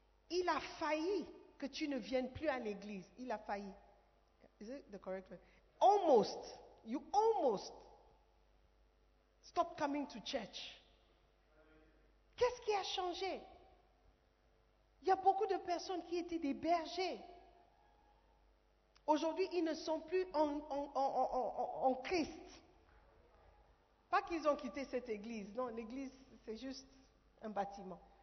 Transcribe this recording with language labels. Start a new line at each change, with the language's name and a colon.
French: Il a failli que tu ne viennes plus à l'église. Il a failli.
English: Is it the correct word? Almost. You almost stop coming to church.
French: Qu'est-ce qui a changé? Il y a beaucoup de personnes qui étaient des bergers. Aujourd'hui, ils ne sont plus en Christ. Pas qu'ils ont quitté cette église. Non, l'église, c'est juste un bâtiment.